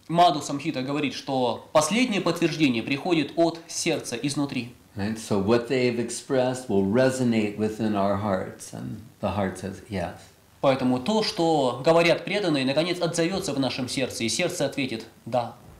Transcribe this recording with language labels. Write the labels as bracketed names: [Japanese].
[Russian] Маду Самхита говорит, что последнее подтверждение приходит от сердца изнутри. [English] Right? So what they've expressed will resonate within our hearts, and the heart says yes. [Russian] Поэтому то, что говорят преданные, наконец отзовется в нашем сердце, и сердце ответит «да».